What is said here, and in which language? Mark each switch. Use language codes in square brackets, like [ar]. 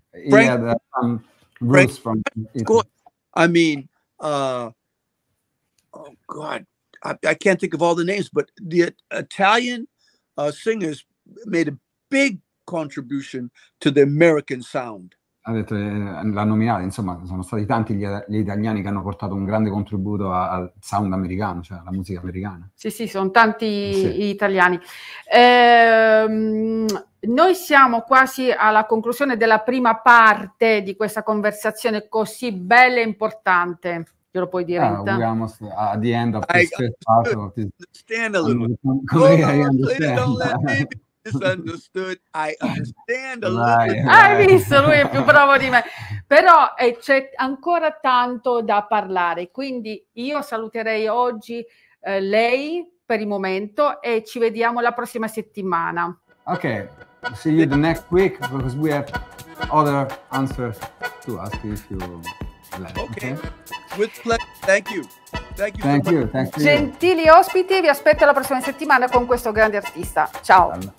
[en] Frank, yeah, I mean, I can't think of all the names, but the Italian singers made a big contribution to the American sound. [it] Ha detto la nominata, insomma, sono stati tanti gli italiani che hanno portato un grande contributo al sound americano, cioè alla musica americana. Sì, sì, sono tanti gli italiani. Noi siamo quasi alla conclusione della prima parte di questa conversazione così bella e importante. Te lo puoi dire? [en] Ah, [it] siamo [en] at the end of this part. Understand a little. Oh, no, don't let me be misunderstood. I understand a little. [it] Hai visto, lui è più bravo di me. Però c'è ancora tanto da parlare, quindi io saluterei oggi lei per il momento e ci vediamo la prossima settimana. Ok. [en] See you the next week because we have other answers to ask you if you like. Okay. With pleasure. Thank you. Thank you. Thank you. Thank you. [it] Gentili ospiti, vi aspetto la prossima settimana con questo grande artista. Ciao.